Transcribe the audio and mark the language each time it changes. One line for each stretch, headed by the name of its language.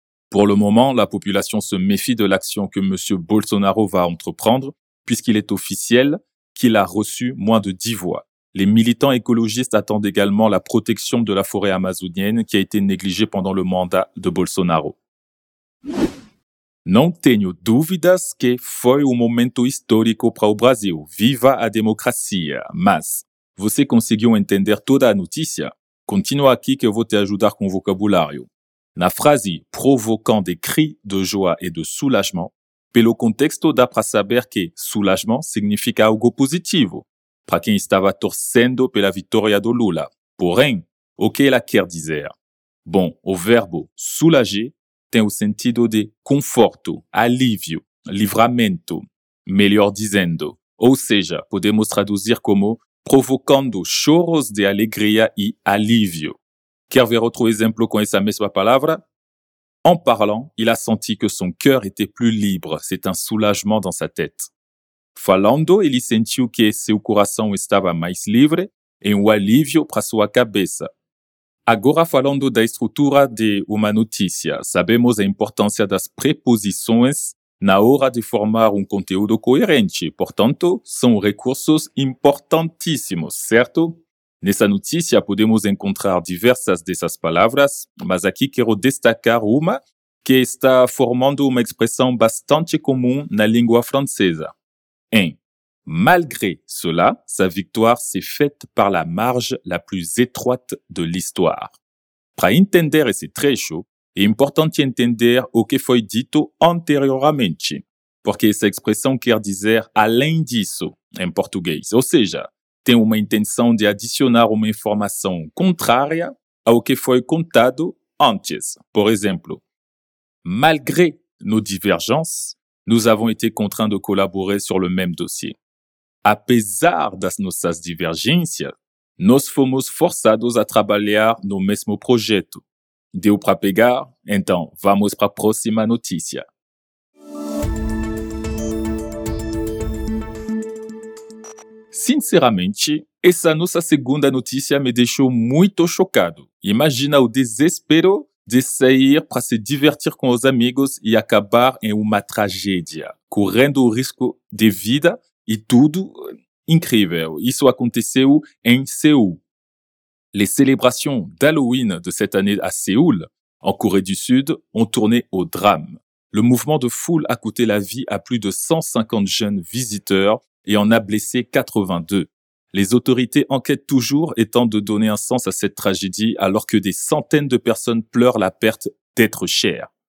French: Pour le moment, la population se méfie de l'action que M. Bolsonaro va entreprendre, puisqu'il est officiel qu'il a reçu moins de 10 voix. Les militants écologistes attendent également la protection de la forêt amazonienne qui a été négligée pendant le mandat de Bolsonaro.
Portuguese: Não tenho dúvidas que foi um momento histórico para o Brasil. Viva a democracia! Mas, você conseguiu entender toda a notícia? Continua aqui que eu vou te ajudar com o vocabulário. Na frase,
French: provocant des cris de joie et de soulagement,
Portuguese: pelo contexto dá para saber que soulagement significa algo positivo para quem estava torcendo pela vitória do Lula. Porém, o que ela quer dizer? Bom, o verbo soulager tem o sentido de conforto, alívio, livramento, melhor dizendo. Ou seja, podemos traduzir como provocando choros de alegria e alívio. Quer ver outro exemplo com essa mesma palavra?
French: En parlant, il a senti que son cœur était plus libre. C'est un soulagement dans sa tête.
Portuguese: Falando, ele sentiu que seu coração estava mais livre e um alívio para sua cabeça. Agora falando da estrutura de uma notícia, sabemos a importância das preposições na hora de formar conteúdo coerente, portanto, são recursos importantíssimos, certo? Nessa notícia podemos encontrar diversas dessas palavras, mas aqui quero destacar uma que está formando uma expressão bastante comum na língua francesa.
French: Em malgré cela, sa victoire s'est faite par la marge la plus étroite de l'histoire.
Portuguese: Para entender esse trecho, é importante entender o que foi dito anteriormente, porque essa expressão quer dizer além disso em português, ou seja, tem uma intenção de adicionar uma informação contrária ao que foi contado antes. Por exemplo,
French: malgré nos divergences, nous avons été contraints de collaborer sur le même dossier.
Portuguese: Apesar das nossas divergências, nós fomos forçados a trabalhar no mesmo projeto. Deu para pegar? Então, vamos para a próxima notícia. Sinceramente, essa nossa segunda notícia me deixou muito chocado. Imagina o desespero de sair para se divertir com os amigos e acabar em uma tragédia, correndo o risco de vida e tudo. Incrível, isso aconteceu em Seul.
French: Les célébrations d'Halloween de cette année à Séoul, en Corée du Sud, ont tourné au drame. Le mouvement de foule a coûté la vie à plus de 150 jeunes visiteurs et en a blessé 82. Les autorités enquêtent toujours et tentent de donner un sens à cette tragédie alors que des centaines de personnes pleurent la perte d'êtres chers.